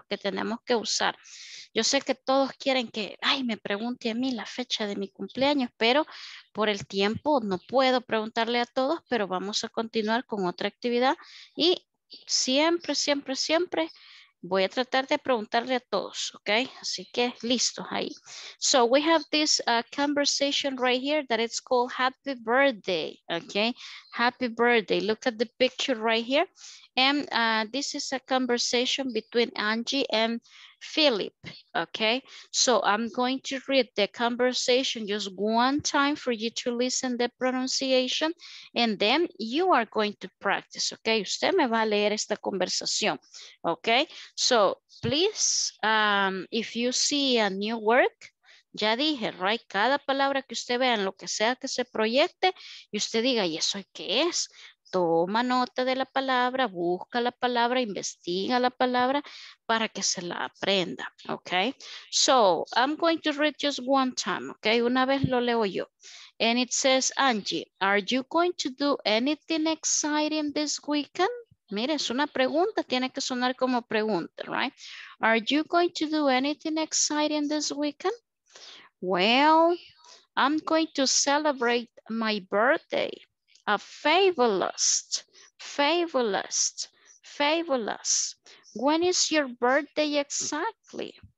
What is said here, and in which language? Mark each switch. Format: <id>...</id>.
<es>Los que tenemos que usar. Yo sé que todos quieren que, ay, me pregunte a mí la fecha de mi cumpleaños, pero por el tiempo no puedo preguntarle a todos, pero vamos a continuar con otra actividad y siempre, siempre, siempre voy a tratar de preguntarle a todos, ¿ok? Así que listos ahí.</es> <en>So we have this conversation right here that it's called Happy Birthday, ¿ok? Happy Birthday. Look at the picture right here. And this is a conversation between Angie and Philip, okay? So I'm going to read the conversation just one time for you to listen the pronunciation, and then you are going to practice, okay?</en> <es>Usted me va a leer esta conversación,</es> <en>okay? So please, if you see a new work,</en> <es>ya dije,</es> <en>right?</en> <es>Cada palabra que usted vea, en lo que sea que se proyecte, y usted diga, ¿y eso qué es? Toma nota de la palabra, busca la palabra, investiga la palabra para que se la aprenda, ¿ok?</es> <en>So, I'm going to read just one time, ¿ok?</en> <es>Una vez lo leo yo.</es> <en>And it says, Angie, are you going to do anything exciting this weekend?</en> <es>Mire, es una pregunta, tiene que sonar como pregunta, right?</es> <en>Are you going to do anything exciting this weekend? Well, I'm going to celebrate my birthday. A fabulous, fabulous, fabulous. When is your birthday exactly?</en>